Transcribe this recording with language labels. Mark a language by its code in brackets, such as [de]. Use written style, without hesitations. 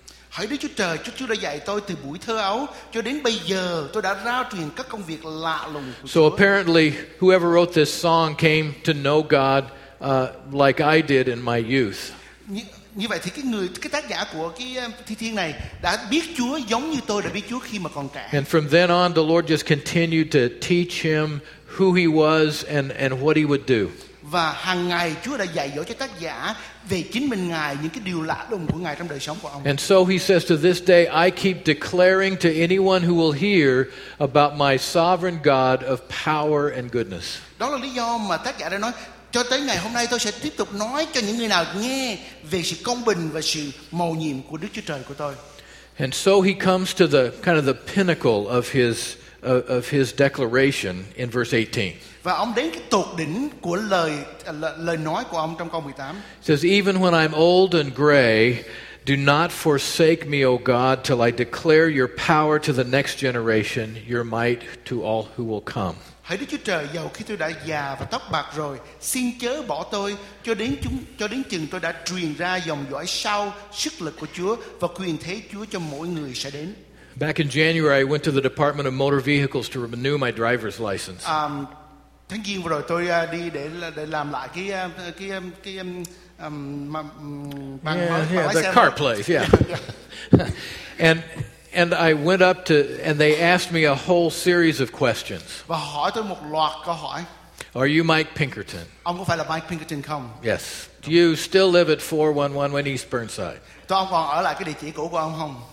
[vi] Hỡi Đức Chúa Trời, Chúa đã dạy tôi từ buổi thơ ấu cho đến bây giờ, tôi đã rao truyền các công việc lạ lùng của Chúa. [en] So apparently, whoever wrote this song came to know God like I did in my youth. [vi] Như vậy thì cái tác giả của cái thi thiên này đã biết Chúa giống như tôi đã biết Chúa khi mà còn trẻ. [en] And from then on, the Lord just continued to teach him who he was and what he would do. [vi] Và hàng ngày Chúa đã dạy dỗ cho tác giả về chính mình Ngài, những cái điều lạ lùng của Ngài trong đời sống của ông. [en] And so he says, "To this day I keep declaring to anyone who will hear about my sovereign God of power and goodness." [vi] Đó là lý do mà tác giả đã nói, cho tới ngày hôm nay tôi sẽ tiếp tục nói cho những người nào nghe về sự công bình và sự mầu nhiệm của Đức Chúa Trời của tôi. [en] And so he comes to the kind of the pinnacle of his declaration in verse 18. [vi] Và ông đến cái tột đỉnh của lời nói của ông trong câu 18. [en] It says, "Even when I'm old and gray, do not forsake me, O God, till I declare your power to the next generation, your might to all who will come." [vi] Hỡi Đức Chúa Trời, dầu khi tôi đã già và tóc bạc rồi, xin chớ bỏ tôi cho đến chừng tôi đã truyền ra dòng dõi sau sức lực của Chúa và quyền thế Chúa cho mỗi người sẽ đến. [en] Back in January, I went to the Department of Motor Vehicles to renew my driver's license. [vi] Tháng Giêng vừa rồi tôi đi để làm lại cái [en] car place, yeah. And I went up to, and they asked me a whole series of questions. [vi] Và hỏi tôi một loạt câu hỏi. [en] "Are you Mike Pinkerton?" [vi] Ông có phải là Mike Pinkerton không? [en] "Yes." "Do you still live at 411 when East Burnside?" [vi] Tôi ông còn ở lại cái địa chỉ cũ của ông không?